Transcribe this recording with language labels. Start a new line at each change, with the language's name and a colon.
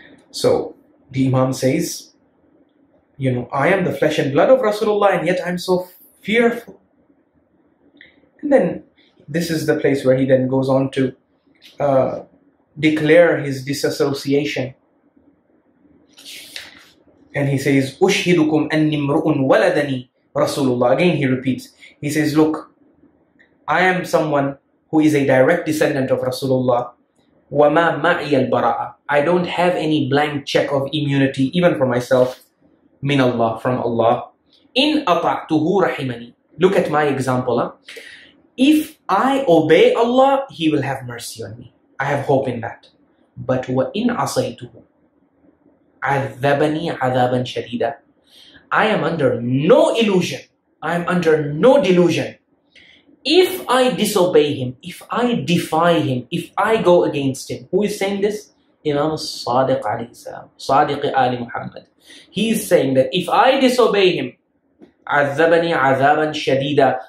English: So, the Imam says, you know, I am the flesh and blood of Rasulullah, and yet I'm so fearful. And then, this is the place where he then goes on to declare his disassociation.
Arabic: And he says, أُشْهِدُكُمْ أَنِّي مْرُؤٌ وَلَدَنِي.
English: Rasulullah, again he repeats, he says, look, I am someone who is a direct descendant of Rasulullah.
Arabic: وَمَا مَعِيَ الْبَرَاءَ.
English: I don't have any blank check of immunity, even for myself, مِنَ اللَّهِ, from Allah. إِنْ أَطَعْتُهُ رَحِمَنِي. Look at my example. If I obey Allah, He will have mercy on me. I have hope in that.
Arabic: But وَإِنْ عَصَيْتُهُ عَذَّبَنِي عَذَابًا شَدِيدًا.
English: I am under no illusion. I am under no delusion. If I disobey him, if I defy him, if I go against him. Who is saying this? Imam Sadiq alayhi salam. Sadiq Ali Muhammad. He is saying that if I disobey him,
Arabic: عذبني عذابا شديدا.